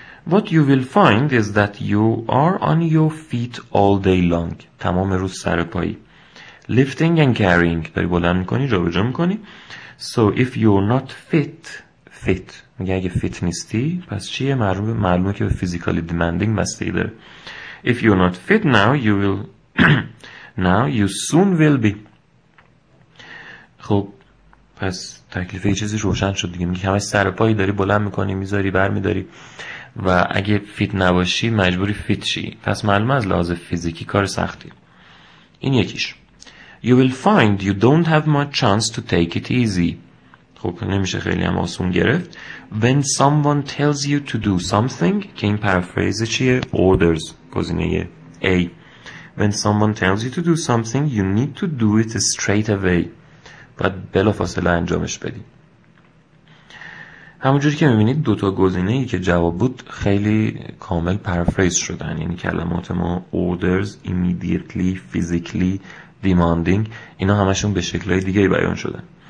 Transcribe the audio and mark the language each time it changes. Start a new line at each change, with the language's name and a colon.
English: What you will find is that you are on your feet all day long،
Persian: تمام روز سر پایی.
English: Lifting and carrying،
Persian: داری بلند میکنی، جا به جا میکنی.
English: So if you're not fit،
Persian: fit میگه اگه fit نیستی، پس چیه؟ معلومه که به
English: physically demanding
Persian: بستگی داره.
English: If you're not fit now you will now you soon will be.
Persian: خب پس تکلیف یه چیزی روشن شد دیگه. میگه همش سر پایی داری بلند میکنی میذاری برمیداری و اگه فیت نباشی مجبوری فیت شی. پس معلوم از لحاظ فیزیکی کار سختی. این یکیش.
English: You will find you don't have much chance to take it easy.
Persian: خب نمیشه خیلی هم آسون گرفت.
English: When someone tells you to do something
Persian: که این پرافریز چیه؟
English: Orders
Persian: گزینه
English: A. When someone tells you to do something you need to do it straight away.
Persian: باید بلافاصله انجامش بدی. همونجوری که میبینید دوتا گزینه ای که جواب بود خیلی کامل پرافریز شدن، یعنی کلمات ما
English: orders, immediately, physically, demanding
Persian: اینا همشون به شکلهای دیگه بیان شدن.